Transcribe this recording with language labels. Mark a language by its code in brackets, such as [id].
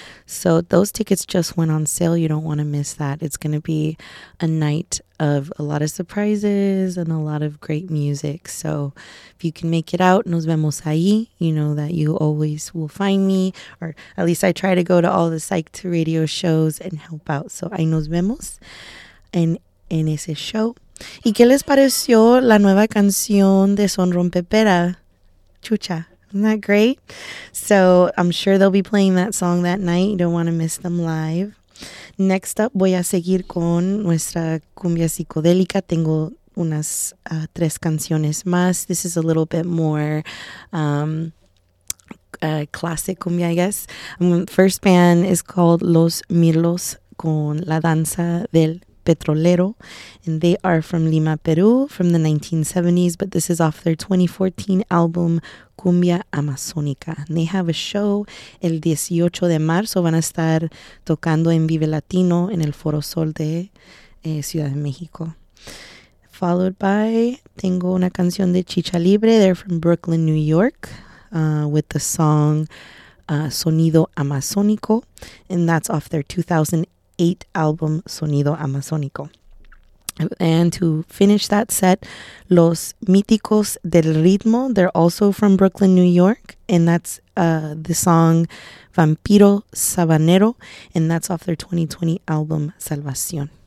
[en] So those tickets just went on sale. You don't want to miss that. It's going to be a night of a lot of surprises and a lot of great music. So if you can make it out, [es] nos vemos ahí. [en] You know that you always will find me, or at least I try to go to all the psyched radio shows and help out. [es] So ahí nos vemos en ese show. ¿Y qué les pareció la nueva canción de Son Rompepera? [en] Chucha. Isn't that great? So I'm sure they'll be playing that song that night. You don't want to miss them live. Next up, [es] voy a seguir con nuestra cumbia psicodélica. Tengo unas tres canciones más. [en] This is a little bit more classic cumbia, I guess. First band is called Los Mirlos con La Danza del Petrolero, and they are from Lima, Peru, from the 1970s, but this is off their 2014 album Cumbia Amazónica, and they have a show [es] el 18 de marzo. Van a estar tocando en Vive Latino en el Foro Sol de Ciudad de México. [en] Followed by, [es] tengo una canción de Chicha Libre. [en] They're from Brooklyn, New York, with the song Sonido Amazónico, and that's off their 2008 album Sonido Amazónico. And to finish that set, Los Míticos del Ritmo, they're also from Brooklyn, New York, and that's the song Vampiro Sabanero, and that's off their 2020 album Salvación.